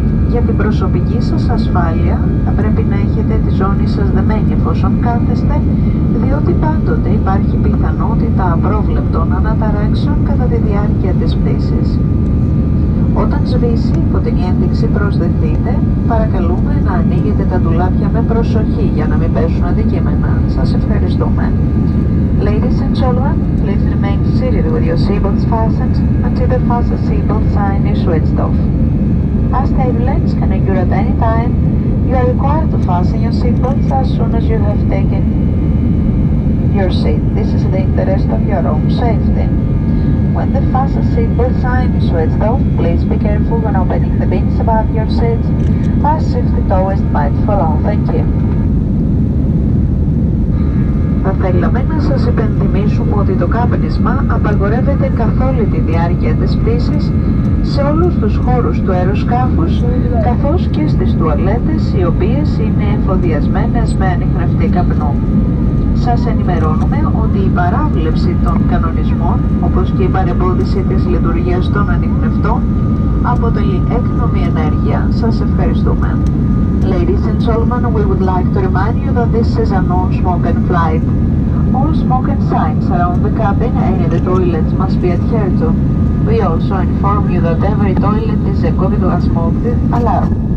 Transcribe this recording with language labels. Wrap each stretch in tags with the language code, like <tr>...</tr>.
<el>Για την προσωπική σας ασφάλεια θα πρέπει να έχετε τη ζώνη σας δεμένη εφόσον κάθεστε, διότι πάντοτε υπάρχει πιθανότητα απρόβλεπτων αναταράξεων κατά τη διάρκεια της πτήσης. Όταν σβήσει η φωτεινή ένδειξη προσδεθείτε, παρακαλούμε να ανοίγετε τα ντουλάπια με προσοχή για να μην πέσουν αντικείμενα. Σας ευχαριστούμε.</el> <en>Ladies and gentlemen, please remain seated with your seatbelts fastened until the fastened seatbelt sign is switched off. As turbulence can occur at any time, you are required to fasten your seatbelts as soon as you have taken your seat. This is the interest of your own safety. When the fasten seatbelt sign is switched off, please be careful when opening the bins above your seats, as if the tourist might fall off. Thank you.</en> <el>Θα θέλαμε να σας υπενθυμίσουμε ότι το κάπνισμα απαγορεύεται καθ' όλη τη διάρκεια της πτήσης σε όλους τους χώρους του αεροσκάφους, καθώς και στις τουαλέτες, οι οποίες είναι εφοδιασμένες με ανιχνευτή καπνό. Σας ενημερώνουμε ότι η παράβλεψη των κανονισμών, όπως και η παρεμπόδιση της λειτουργίας των ανιχνευτών, αποτελεί έκνομη ενέργεια. Σας ευχαριστούμε.</el> <en>Ladies and gentlemen, we would like to remind you that this is a non-smoking flight. All smoking signs around the cabin and in the toilets must be adhered to. We also inform you that every toilet is equipped with a smoke alarm.</en>